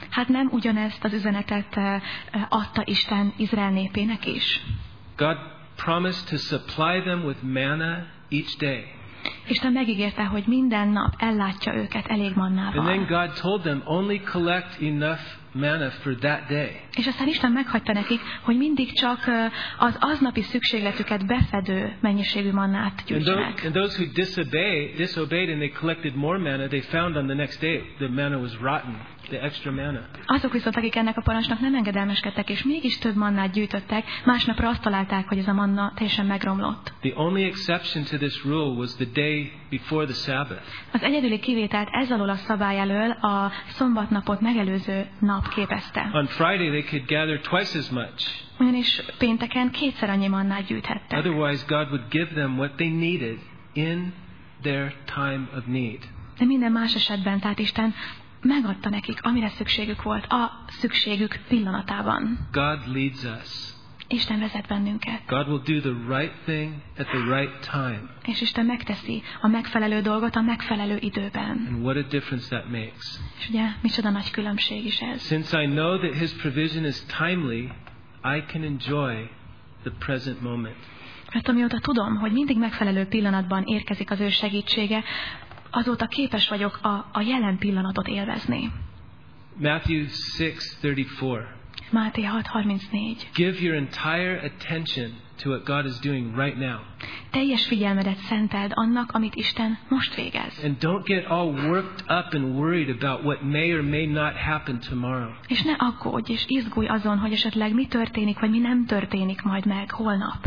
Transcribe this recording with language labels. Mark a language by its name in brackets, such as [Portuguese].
[Hungarian] Hát nem ugyanezt az üzenetet adta Isten Izrael népének is. [English] God promised to supply them with manna each day. [Hungarian] Isten megígérte, hogy minden nap ellátja őket elég mannával. [English] And then God told them, only collect enough manna for that day. [Hungarian] És aztán Isten meghagyta nekik, hogy mindig csak az aznapi szükségletüket befedő mennyiségű mannát gyűjtsenek. [English] And those who disobeyed and they collected more manna, they found on the next day the manna was rotten. The extra manna. [Hungarian] Azok viszont, akik ennek a parancsnak nem engedelmeskedtek, és mégis több mannát gyűjtöttek, másnapra azt találták, hogy ez a manna teljesen megromlott. [English] The only exception to this rule was the day before the Sabbath. [Hungarian] Az egyedüli kivételt ez alól a szabály elől a szombatnapot megelőző nap képezte. [English] On Friday they could gather twice as much. [Hungarian] Ugyanis pénteken kétszer annyi mannát gyűjthettek. [English] Otherwise God would give them what they needed in their time of need. [Hungarian] De minden más esetben, tehát Isten megadta nekik, amire szükségük volt, a szükségük pillanatában. [English] God leads us. [Hungarian] Isten vezet bennünket. [English] God will do the right thing at the right time. [Hungarian] És Isten megteszi a megfelelő dolgot a megfelelő időben. [English] And what a difference that makes. [Hungarian] És ugye, micsoda nagy különbség is ez. [English] Since I know that his provision is timely, I can enjoy the present moment. [Hungarian] Mert amióta tudom, hogy mindig megfelelő pillanatban érkezik az ő segítsége, azóta képes vagyok a jelen pillanatot élvezni. [English] Matthew 6:34. [Hungarian] Máté 6:34. [English] Give your entire attention to what God is doing right now. [Hungarian] Teljes figyelmedet szenteld annak, amit Isten most végez. [English] And don't get all worked up and worried about what may or may not happen tomorrow. [Hungarian] És ne aggódj és izgulj azon, hogy esetleg mi történik vagy mi nem történik majd meg holnap.